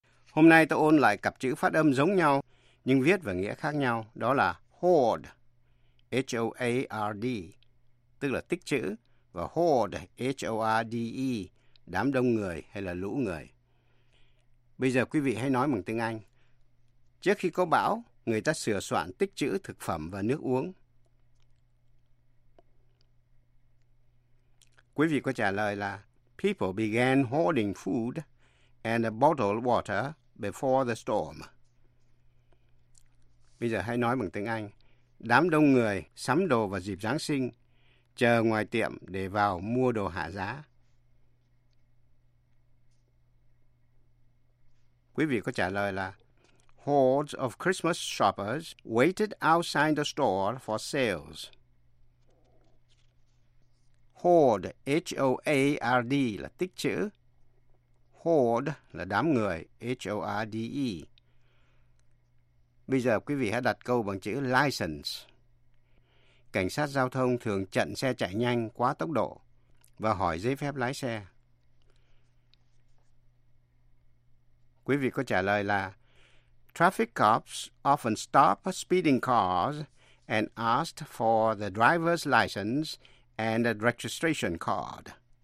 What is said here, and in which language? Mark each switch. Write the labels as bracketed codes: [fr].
[vi] Hôm nay ta ôn lại cặp chữ phát âm giống nhau nhưng viết và nghĩa khác nhau, đó là hoard, H-O-A-R-D, tức là tích chữ, và hoard, H-O-R-D-E, đám đông người hay là lũ người. Bây giờ quý vị hãy nói bằng tiếng Anh. Trước khi có bão, người ta sửa soạn tích trữ thực phẩm và nước uống. Quý vị có trả lời là [en] people began hoarding food and a bottled water before the storm. [vi] Bây giờ hãy nói bằng tiếng Anh. Đám đông người sắm đồ vào dịp Giáng sinh, chờ ngoài tiệm để vào mua đồ hạ giá. Quý vị có trả lời là [en] hordes of Christmas shoppers waited outside the store for sales. [vi] Hoard, H-O-A-R-D là tích chữ. Hoard là đám người, H-O-R-D-E. Bây giờ quý vị hãy đặt câu bằng chữ license. Cảnh sát giao thông thường chặn xe chạy nhanh quá tốc độ và hỏi giấy phép lái xe. Quý vị có trả lời là [en] traffic cops often stop speeding cars and asked for the driver's license and a registration card.